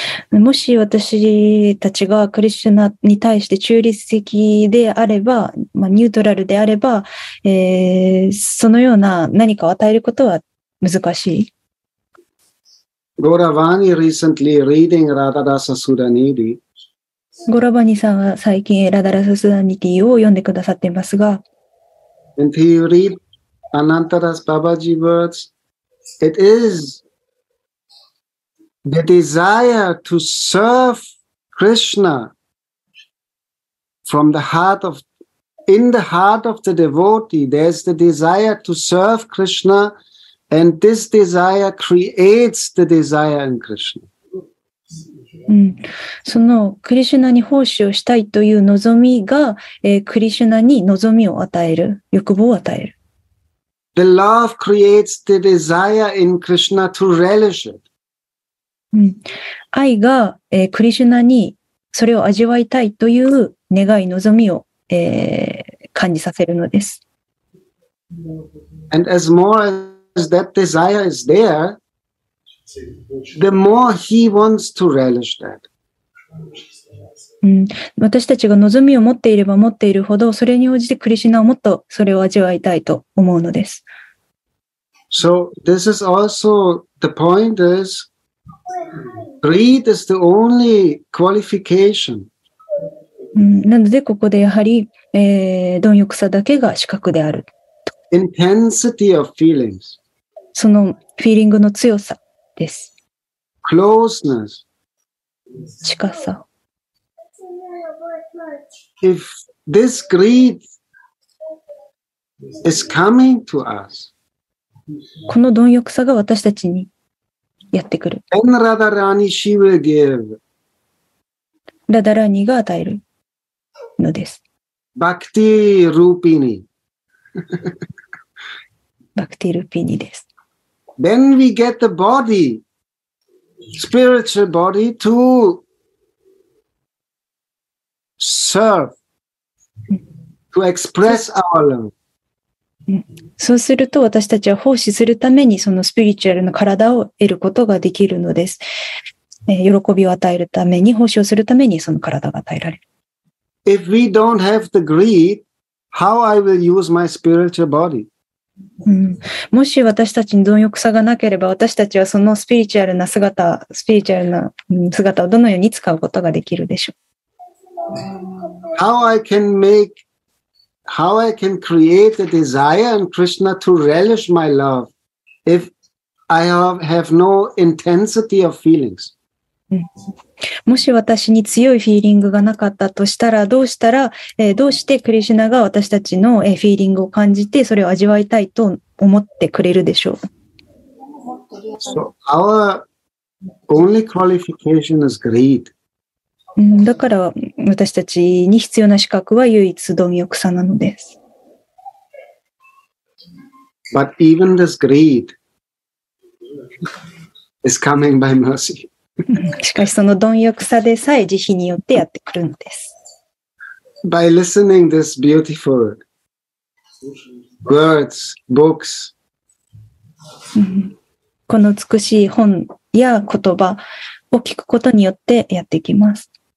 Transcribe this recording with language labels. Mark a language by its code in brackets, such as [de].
[ja] もし私たちがクリシュナに対して中立的であれば、まあ、ニュートラルであれば、そのような何かを与えることは難しい。 [en] ゴラバニ recently reading Radharasa Sudhaniti。 [ja] ゴラバニさんは最近ラダラサスダニティを読んでくださっていますが、 [en] And he read Anantadas Babaji words, it is the desire to serve Krishna from the heart of, in the heart of the devotee, there's the desire to serve Krishna, and this desire creates the desire in Krishna. [ja] うん、そのクリシュナに奉仕をしたいという望みが、クリシュナに望みを与える、欲望を与える。 [en] The love creates the desire in Krishna to relish it. [ja] うん、愛が、クリシュナにそれを味わいたいという願い、望みを、感じさせるのです。 [en] And as more as that desire is there,The more he wants to relish that. [ja] うん、私たちが望みを持っていれば持っているほど、それに応じてクリシュナをもっとそれを味わいたいと思うのです。 [en] So this is also the point is, greed is the only qualification.、 [ja] うん、なのでここでやはり、貪欲さだけが資格であると [en] 。 Intensity of feelings. [ja] そのフィーリングの強さ。 [en] Closeness. [ja] 近さ。 [en] If this greed is coming to us, [ja] この貪欲さが私たちにやってくる。 [en] Then Radharani she will give. [ja] ラダラーニが与えるのです。 [en] Bhakti Rupini. [ja] Bhakti Rupini です。 [en] Then we get the body, spiritual body, to serve, to express our love. [ja] そうすると私たちは奉仕するためにそのスピリチュアルな体を得ることができるのです。喜びを与えるために、奉仕をするためにその体が与えられる。 [en] If we don't have the greed, how I will use my spiritual body? [ja] うん、もし私たちに貪欲さがなければ、私たちはそのスピリチュアルな姿、スピリチュアルな姿をどのように使うことができるでしょう。 [en] How I can make, how I can create a desire in Krishna to relish my love if I have no intensity of feelings?、 [ja] うん、もし私に強いフィーリングがなかったとしたら、どうしたら、どうしてクリシュナが私たちのフィーリングを感じて、それを味わいたいと思ってくれるでしょう。 [en] So, our only qualification is greed. [ja] だから私たちに必要な資格は唯一貪欲さなのです。 [en] But even this greed is coming by mercy. [ja] しかしその貪欲さでさえ慈悲によってやってくるのです。 [en] By listening this beautiful words, books, [ja] この美しい本や言葉を聞くことによってやってきます。